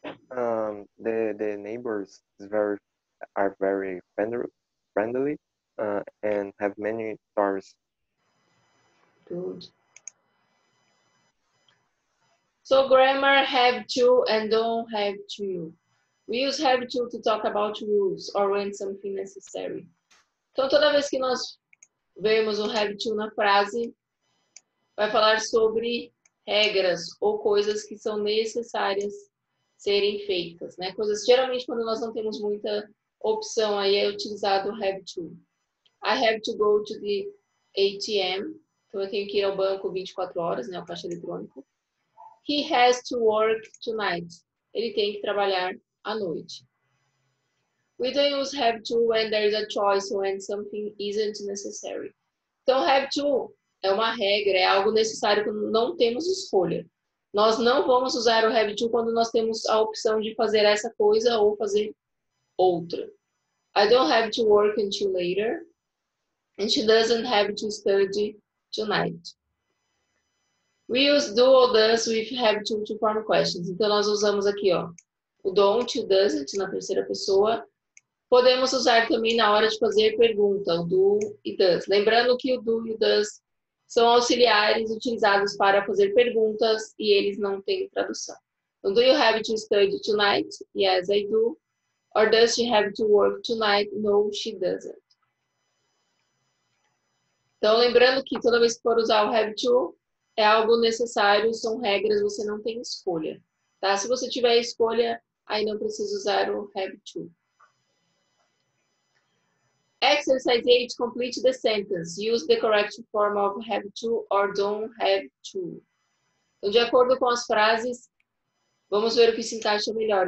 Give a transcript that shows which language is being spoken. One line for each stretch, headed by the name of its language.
English: The neighbors are very friendly and have many stores. Good. So grammar have to and don't have to. We use have to talk about rules or when something necessary.
Portuguese: Então, toda vez que nós vemos um have to na frase, vai falar sobre regras ou coisas que são necessárias serem feitas, né? Coisas, geralmente, quando nós não temos muita opção, aí é utilizado have to.
English: I have to go to the ATM.
Portuguese: Então, eu tenho que ir ao banco 24 horas, né? O caixa eletrônico.
English: He has to work tonight.
Portuguese: Ele tem que trabalhar à noite.
English: We don't use have to when there is a choice, when something isn't necessary.
Portuguese: Então, have to é uma regra, é algo necessário quando não temos escolha. Nós não vamos usar o have to quando nós temos a opção de fazer essa coisa ou fazer outra.
English: I don't have to work until later. And she doesn't have to study tonight. We use do or does with have to form questions.
Portuguese: Então, nós usamos aqui, ó, o don't e o doesn't na terceira pessoa. Podemos usar também na hora de fazer pergunta, o do e does. Lembrando que o do e o does são auxiliares utilizados para fazer perguntas e eles não têm tradução.
English: Então, do you have to study tonight? Yes, I do. Or does she have to work tonight? No, she doesn't.
Portuguese: Então, lembrando que toda vez que for usar o have to, é algo necessário, são regras, você não tem escolha. Tá? Se você tiver escolha, aí não precisa usar o have to.
English: Exercise 8, complete the sentence. Use the correct form of have to or don't have to.
Portuguese: Então, de acordo com as frases, vamos ver o que se encaixa melhor.